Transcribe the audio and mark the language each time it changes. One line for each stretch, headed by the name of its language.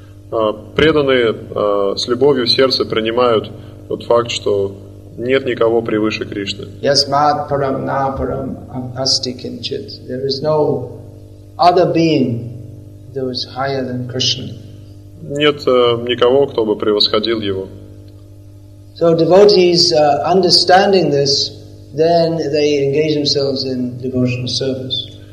Russian: Преданные с любовью в сердце принимают тот факт, что нет никого превыше Кришны.
Sanskrit: Yasmat param na param asti kinchit,
English: there is no other being that is higher than Krishna.
Russian: Нет никого, кто бы превосходил его.
English: So devotees, understanding this, then they engage themselves in devotional service.